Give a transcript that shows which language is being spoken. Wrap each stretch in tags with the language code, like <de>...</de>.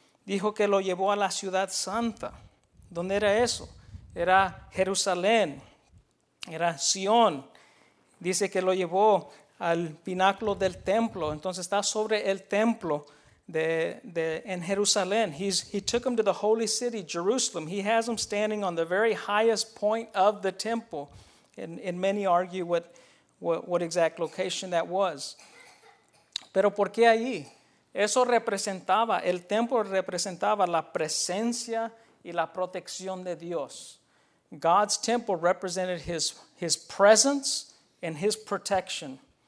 <es>Dijo que lo llevó a la ciudad santa. ¿Dónde era eso? Era Jerusalén. Era Sion. Dice que lo llevó al pináculo del templo. Entonces está sobre el templo en Jerusalén.</es> <en>He took him to the holy city, Jerusalem. He has him standing on the very highest point of the temple. And many argue what exact location that was.</en> <es>¿Pero por qué allí? Eso representaba, el templo representaba la presencia y la protección de Dios.</es> <en>God's temple represented his presence and his protection.</en>